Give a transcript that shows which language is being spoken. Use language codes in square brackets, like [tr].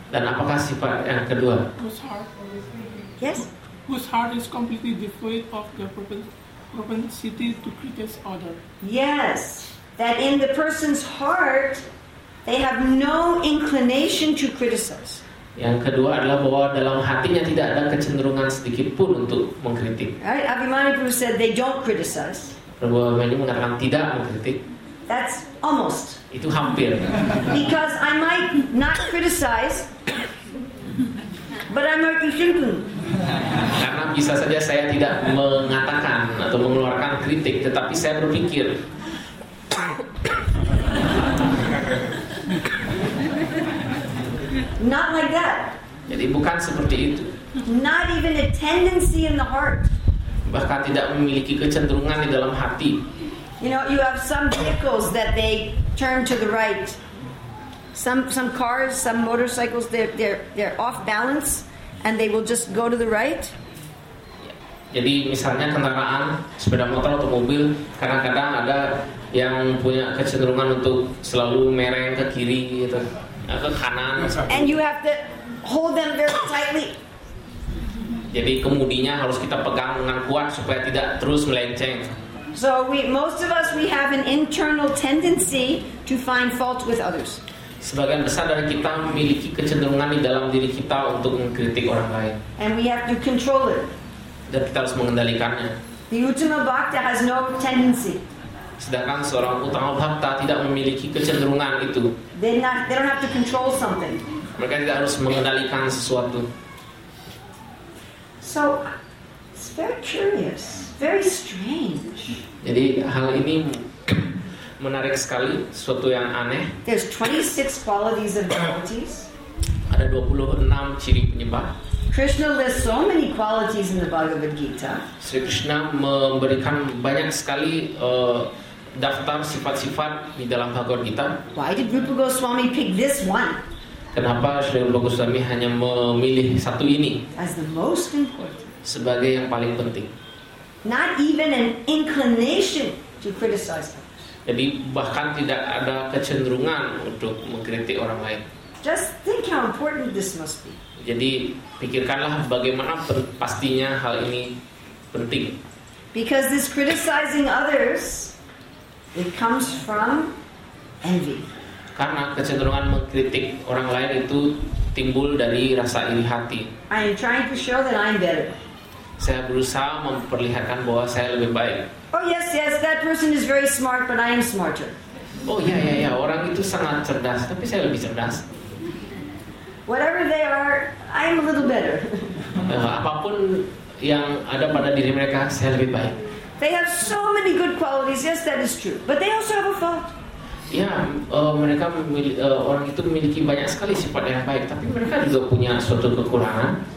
[id] Dan apakah sifat yang kedua? [en] Whose heart? Yes. Whose heart is completely devoid of the propensity to criticize other. Yes. That in the person's heart, they have no inclination to criticize. [id] Yang kedua adalah bahwa dalam hatinya tidak ada kecenderungan sedikit pun untuk mengkritik. [en] Right? Abhimanyu Prabhu said they don't criticize. [id] Prabhu Abhimanyu mengatakan tidak mengkritik. [en] That's almost. [id] Itu hampir. [en] Because I might not criticize, but I'm not thinking. [id] Karena bisa saja saya tidak mengatakan atau mengeluarkan kritik, tetapi saya berpikir. [en] Not like that. [id] Jadi bukan seperti itu. [en] Not even a tendency in the heart. [id] Bahkan tidak memiliki kecenderungan di dalam hati. [en] You know, you have some vehicles that they turn to the right. Some cars, some motorcycles, they're off balance and they will just go to the right. [id] Jadi misalnya kendaraan, sepeda motor atau mobil, kadang-kadang ada yang punya kecenderungan untuk selalu mereng ke kiri gitu, ke kanan. [en] And you have to hold them very tightly. [id] Jadi kemudinya harus kita pegang dengan kuat supaya tidak terus melenceng. [en] So most of us have an internal tendency to find fault with others. [id] Sebagian besar dari kita memiliki kecenderungan di dalam diri kita untuk mengkritik orang lain. [en] And we have to control it. [id] Dan kita harus mengendalikannya. [en] The Uttama Bhakta has no tendency. [id] Sedangkan seorang Uttama Bhakta tidak memiliki kecenderungan itu. [en] They don't have to control something. [id] Mereka tidak harus mengendalikan sesuatu. [en] So, it's very curious, very strange. [id] Jadi hal ini menarik sekali, sesuatu yang aneh. [en] There's 26 qualities of devotees. [id] Ada 26 ciri penyembah. [en] Krishna lists so many qualities in the Bhagavad Gita. [id] Sri Krishna memberikan banyak sekali daftar sifat-sifat di dalam Bhagavad Gita. [en] Why did Rupa Goswami pick this one? [id] Kenapa Sri Rupa Goswami hanya memilih satu ini? [en] As the most important. [id] Sebagai yang paling penting. [en] Not even an inclination to criticize others. [id] Jadi bahkan tidak ada kecenderungan untuk mengkritik orang lain. [en] Just think how important this must be. [id] Jadi pikirkanlah bagaimana pastinya hal ini penting. [en] Because this criticizing others, it comes from envy. [id] Karena kecenderungan mengkritik orang lain itu timbul dari rasa iri hati. [en] I am trying to show that I'm better. [id] Saya berusaha memperlihatkan bahwa saya lebih baik. [en] Oh yes, yes, that person is very smart, but I am smarter. [id] Oh ya, ya, ya, orang itu sangat cerdas, tapi saya lebih cerdas. [en] Whatever they are, I am a little better. [id] Apapun yang ada pada diri mereka, saya lebih baik. [en] They have so many good qualities. Yes, that is true. But they also have a fault. [id] Ya, mereka orang itu memiliki banyak sekali sifat yang baik, tapi mereka juga punya suatu kekurangan.